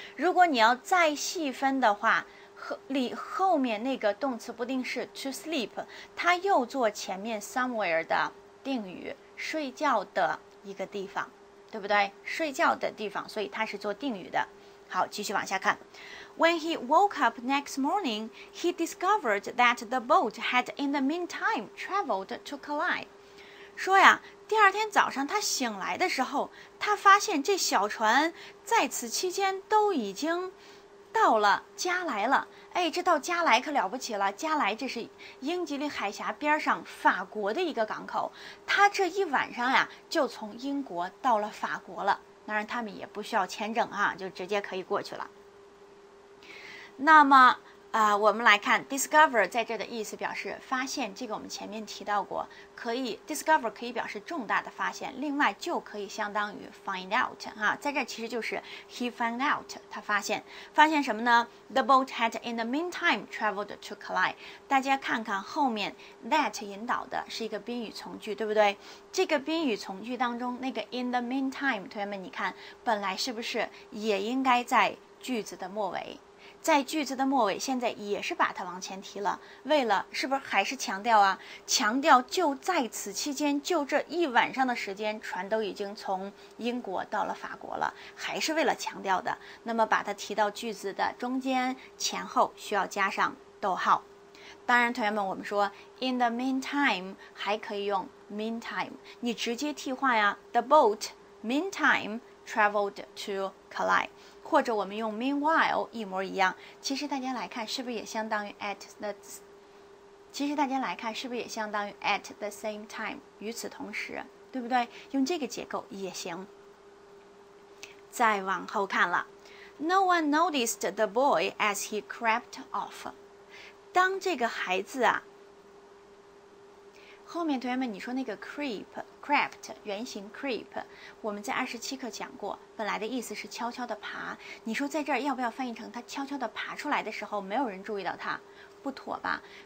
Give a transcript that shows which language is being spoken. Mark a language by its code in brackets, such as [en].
[zh] 如果你要再细分的话，后面那个动词不定式 [en] to sleep， [zh] 它又做前面 somewhere 的定语，睡觉的一个地方，对不对？睡觉的地方，所以它是做定语的。好，继续往下看。 [en] When he woke up next morning, he discovered that the boat had in the meantime traveled to collide. [zh] 说呀，第二天早上他醒来的时候，他发现这小船在此期间都已经到了加来了。哎，这到加来可了不起了，加来这是英吉利海峡边上法国的一个港口，他这一晚上呀就从英国到了法国了。当然他们也不需要签证啊，就直接可以过去了。那么我们来看 discover 在这的意思表示发现，这个我们前面提到过，可以 discover 可以表示重大的发现，另外就可以相当于 [en] find out [zh] 啊，在这其实就是 [en] he found out， [zh] 他发现什么呢？ [en] The boat had in the meantime traveled to collide。 [zh] 大家看看后面 that 引导的是一个宾语从句，对不对？这个宾语从句当中那个 [en] in the meantime， [zh] 同学们你看本来是不是也应该在句子的末尾，在句子的末尾，现在也是把它往前提了，为了是不是还是强调啊？强调就在此期间，就这一晚上的时间，船都已经从英国到了法国了，还是为了强调的。那么把它提到句子的中间前后，需要加上逗号。当然，同学们，我们说 [en] in the meantime [zh] 还可以用 meantime， 你直接替换呀。 [en] The boat meantime traveled to collide。 [zh] 或者我们用 meanwhile 一模一样，其实大家来看是不是也相当于 [en] at the， [zh] 其实大家来看是不是也相当于 [en] at the same time， [zh] 与此同时，对不对？用这个结构也行。再往后看了， [en] No one noticed the boy as he crept off。 [zh] 当这个孩子啊，后面同学们你说那个 crept 原型 creep， 我们在27课讲过，本来的意思是悄悄地爬，你说在这儿要不要翻译成他悄悄地爬出来的时候没有人注意到他，不妥吧？